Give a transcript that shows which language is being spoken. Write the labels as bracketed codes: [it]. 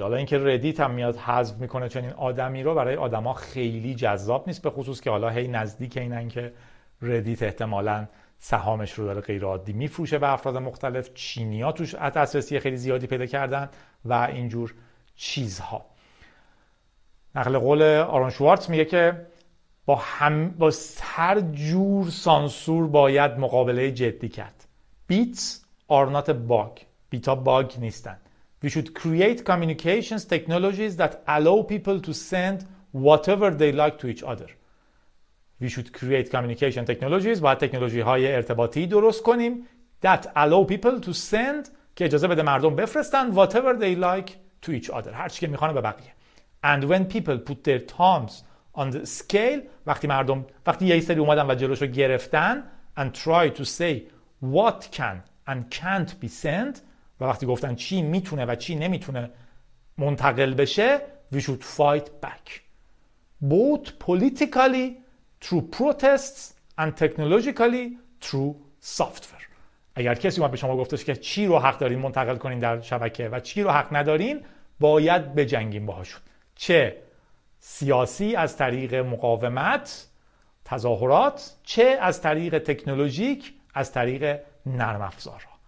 [fa] حالا اینکه ردیت هم میاد حذف میکنه چنین آدمی رو برای آدما خیلی جذاب نیست، به خصوص که حالا هی نزدیک اینن که ردیت احتمالاً سهامش رو داره غیر عادی میفروشه به افراد مختلف، چینی ها توش اتاسرسی خیلی زیادی پیدا کردن و اینجور چیزها. نقل قول آرون شوارتز میگه که با هر جور سانسور باید مقابله جدی کرد. [en] bits are not bug, [fa] بیتا باگ نیستن. [en] We should create communications technologies that allow people to send whatever they like to each other. We should create communication technologies، [fa] باید تکنولوژی های ارتباطی درست کنیم [en] that allow people to send، [fa] که اجازه بده مردم بفرستن [en] whatever they like to each other، [fa] هرچی که میخوانه به بقیه. [en] And when people put their thumbs on the scale، [fa] وقتی یه سری اومدن و جلوشو گرفتن، [en] and try to say what can and can't be sent، [fa] و وقتی گفتن چی میتونه و چی نمیتونه منتقل بشه، [en] we should fight back both politically through protests and technologically through software. [fa] اگر کسی اومد به شما گفتش که چی رو حق دارین منتقل کنین در شبکه و چی رو حق ندارین، باید بجنگیم باهاشون، چه سیاسی از طریق مقاومت، تظاهرات، چه از طریق تکنولوژیک، از طریق نرم افزار.